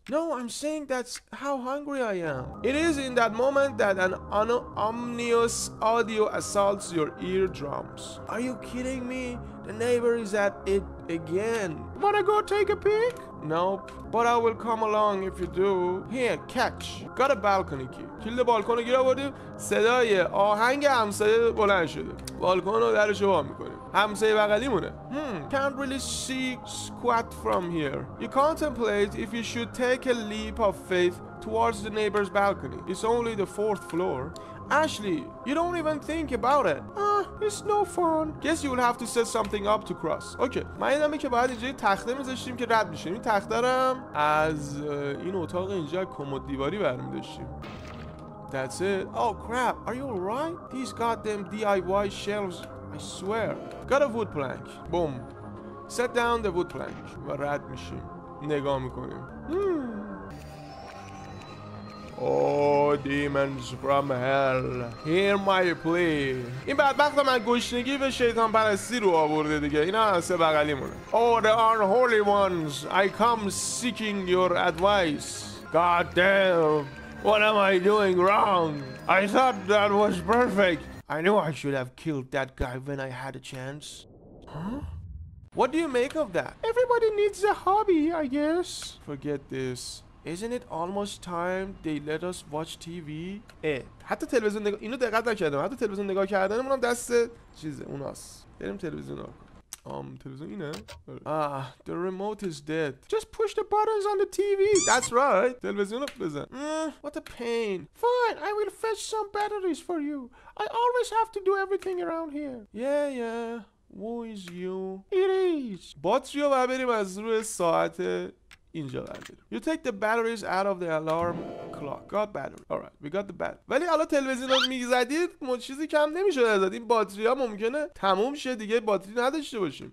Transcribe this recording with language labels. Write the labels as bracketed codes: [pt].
[en] No, I'm saying that's how hungry I am. It is in that moment that an ominous audio assaults your eardrums. Are you kidding me? The neighbor is at it again. Wanna go take a peek? Nope. But I will come along if you do. Here, catch. Got a balcony key. [fa] کلید بالکونو گیر آوردیم. صدای آهنگ همسایه بلند شده. بالکونو درش وا میکنیم. همسایه بغلیمونه. [en] Can't really see squat from here. You contemplate if you should take a leap of faith towards the neighbor's balcony. It's only the fourth floor. Ashley, you don't even think about it. It's no fun. Guess you will have to set something up to cross. Okay. [fa] من یادمه که باید اینجا تخته میذاشتیم که رد میشیم. این تخته رو از این اتاق اینجا کمد دیواری برمی‌داشتیم. [en] That's it. Oh crap, are you alright? These goddamn DIY shelves, I swear. Got a wood plank. Boom. Set down the wood plank. [fa] و رد میشیم. نگاه میکنیم. [en] Oh, demons from hell. Hear my plea. [fa] این بدبخت من گشنگی به شیطان پرستی رو آورده دیگه. اینا سه بغلی مونه. [en] Oh, the unholy ones. I come seeking your advice. Goddamn. What am I doing wrong? I thought that was perfect. I knew I should have killed that guy when I had a chance. Huh? What do you make of that? Everybody needs a hobby, I guess. Forget this. Isn't it almost time they let us watch TV? [fa] حتی تلویزیون نگاه اینو دقت نکردم. حتی تلویزیون نگاه کردنمون هم دست چیزه اوناست. بریم تلویزیون رو. تلویزیون اینه. [en] The remote is dead. Just push the buttons on the TV. That's right. [fa] تلویزیون رو بزن. [en] What a pain. Fine, I will fetch some batteries for you. I always have to do everything around here. Yeah. Who is you? It is. [fa] باتری رو بریم از روی ساعت اینجا برداریم. [en] You take the batteries out of the alarm clock. Got battery. Alright, we got the battery. [fa] ولی الان تلویزیون رو میزدید چیزی کم نمیشد ازاد. این باتری ها ممکنه تموم شه دیگه باتری نداشته باشیم.